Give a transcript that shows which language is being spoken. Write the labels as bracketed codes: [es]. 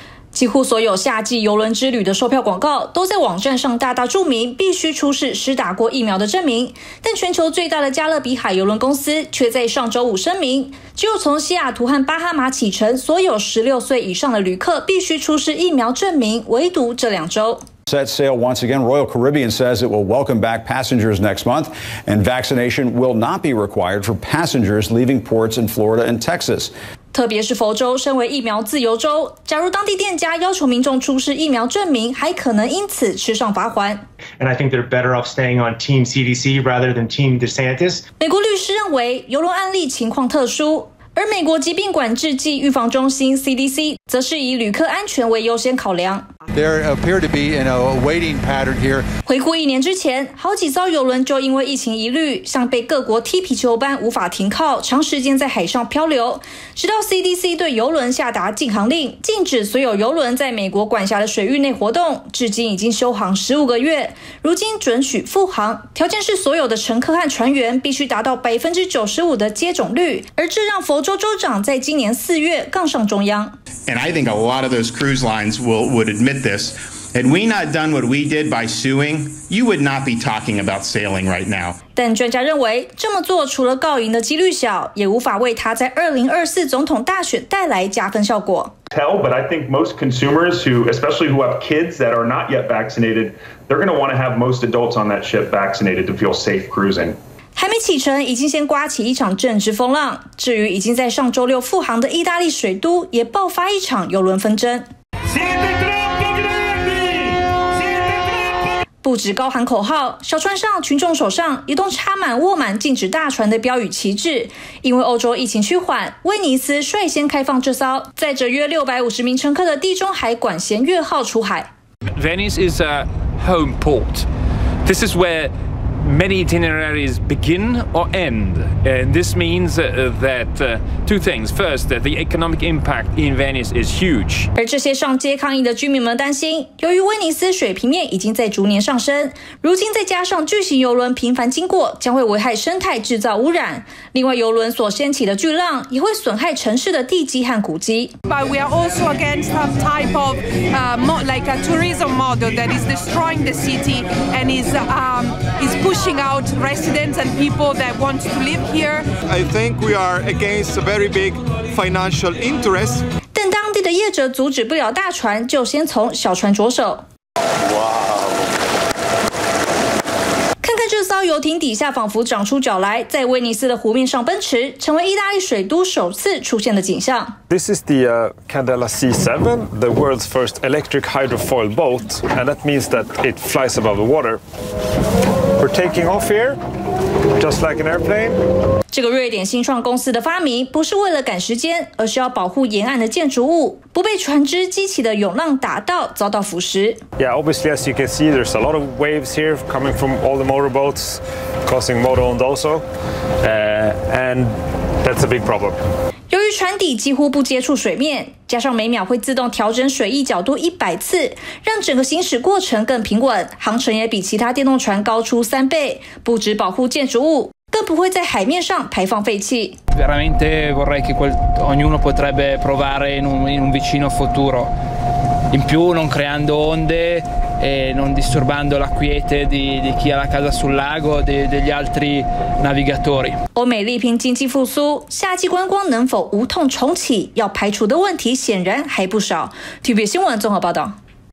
[zh] 几乎所有夏季邮轮之旅的售票广告都在网站上大大注明必须出示施打过疫苗的证明，但全球最大的加勒比海邮轮公司却在上周五声明，只有从西雅图和巴哈马启程所有16岁以上的旅客必须出示疫苗证明，唯独这两周。 [en] Set sail once again. Royal Caribbean says it will welcome back passengers next month, and vaccination will not be required for passengers leaving ports in Florida and Texas. [zh] 特别是佛州，身为疫苗自由州，假如当地店家要求民众出示疫苗证明，还可能因此吃上罚锾。 [en] And I think they're better off staying on Team CDC rather than Team DeSantis. [zh] 美国律师认为，邮轮案例情况特殊。而美国疾病管制暨预防中心 CDC 则是以旅客安全为优先考量。 [en] There appear to be in a waiting pattern here. [zh] 回顾一年之前，好几艘邮轮就因为疫情疑虑，像被各国踢皮球般无法停靠，长时间在海上漂流。直到 CDC 对邮轮下达禁航令，禁止所有邮轮在美国管辖的水域内活动，至今已经休航15个月。如今准许复航，条件是所有的乘客和船员必须达到95%的接种率，而这让佛州州长在今年四月杠上中央。 [en] And I think a lot of those cruise lines would admit this. Had we not done what we did by suing, you would not be talking about sailing right now. [zh] 但专家认为，这么做除了告赢的几率小，也无法为他在2024总统大选带来加分效果。 [en] Tell, but I think most consumers who, especially who have kids that are not yet vaccinated, they're going to want to have most adults on that ship vaccinated to feel safe cruising. [zh] 还没启程，已经先刮起一场政治风浪。至于已经在上周六复航的意大利水都，也爆发一场邮轮纷争。不止高喊口号，小船上、群众手上也都插满握满禁止大船的标语旗帜。因为欧洲疫情趋缓，威尼斯率先开放这艘载着约650名乘客的地中海管弦月号出海。 [en] Venice is a home port. This is where. Many itineraries begin or end, and this means that two things. First, that the economic impact in Venice is huge. [zh] 而这些上街抗议的居民们担心，由于威尼斯水平面已经在逐年上升，如今再加上巨型邮轮频繁经过，将会危害生态、制造污染。另外，邮轮所掀起的巨浪也会损害城市的地基和古迹。 [en] But we are also against some type of like a tourism model that is destroying the city and is pushing out residents and people that want to live here. I think we are against a very big financial interest. [zh] 但当地的业者阻止不了大船，就先从小船着手。 [en] Wow. [zh] 看看这艘游艇底下仿佛长出脚来，在威尼斯的湖面上奔驰，成为意大利水都首次出现的景象。 [en] This is the Candela C7, the world's first electric hydrofoil boat, and that means that it flies above the water. We're taking off here, just like an airplane. [zh] 这个瑞典新创公司的发明不是为了赶时间，而是要保护沿岸的建筑物不被船只激起的涌浪打到，遭到腐蚀。 [en] Yeah, obviously, as you can see, there's a lot of waves here coming from all the motorboats, causing motor ones also, and that's a big problem. [zh] 由于船底几乎不接触水面，加上每秒会自动调整水翼角度100次，让整个行驶过程更平稳，航程也比其他电动船高出3倍。不只保护建筑物，更不会在海面上排放废气。 [it] Veramente vorrei che ognuno potrebbe provare in un vicino futuro. In più, non creando onde e non disturbando la quiete di chi ha la casa sul lago degli altri navigatori. [zh] 欧美力拼经济复苏，夏季观光能否无痛重启，要排除的问题显然还不少。TVB 新闻综合报道。